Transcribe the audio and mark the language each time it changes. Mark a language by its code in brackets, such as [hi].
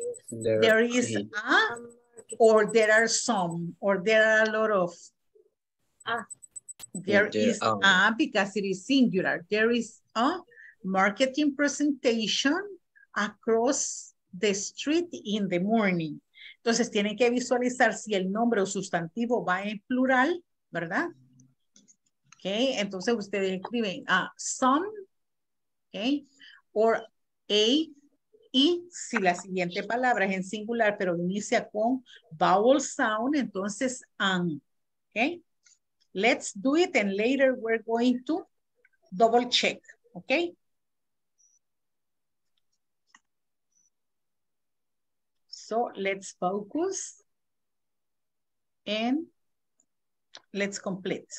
[en] There is a... Or there are some, or there are a lot of. There is a, because it is singular. There is a marketing presentation across the street in the morning. [es] Entonces tienen que visualizar si el nombre o sustantivo va en plural, ¿verdad? Okay, entonces ustedes escriben some, okay, or a. Y si la siguiente palabra es en singular, pero inicia con vowel sound, entonces an, okay? [en] Let's do it and later we're going to double check, okay? So let's focus and let's complete.